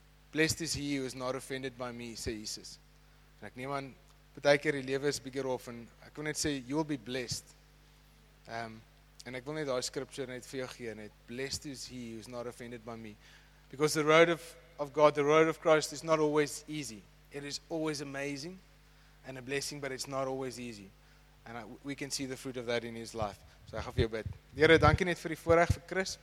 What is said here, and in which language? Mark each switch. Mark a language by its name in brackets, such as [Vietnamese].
[English] Blessed is he who is not offended by me, [Afrikaans] sê Jesus. En ek neem aan, baie keer die lewe is bietjie rof, en ek wil net sê, [English] you will be blessed. [Afrikaans] En ek wil net daai scripture net vir jou gee, net, [English] blessed is he who is not offended by me. Because the road of God, the road of Christ is not always easy. It is always amazing and a blessing, but it's not always easy. And we can see the fruit of that in his life. So I have your bed. Here, thank you net for the voorreg for Chris.